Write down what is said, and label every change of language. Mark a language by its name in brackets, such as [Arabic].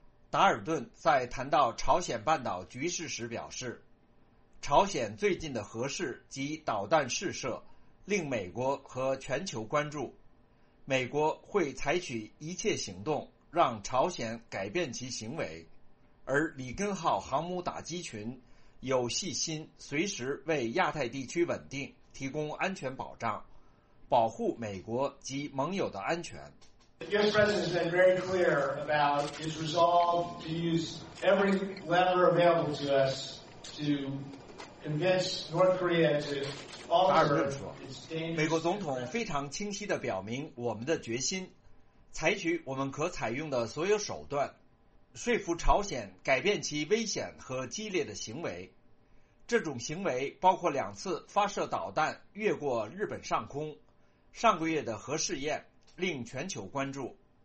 [Chinese] 达尔顿在谈到朝鲜半岛局势时表示，朝鲜最近的核试及导弹试射令美国和全球关注，美国会采取一切行动让朝鲜改变其行为，而里根号航母打击群有信心随时为亚太地区稳定提供安全保障，保护美国及盟友的安全。 [English] U.S. President has been very clear about his resolve to use every lever available to us to convince North Korea to. [Chinese] 达尔顿说，美国总统非常清晰地表明我们的决心，采取我们可采用的所有手段说服朝鲜改变其危险和激烈的行为，这种行为包括2次发射导弹越过日本上空，上个月的核试验令全球关注。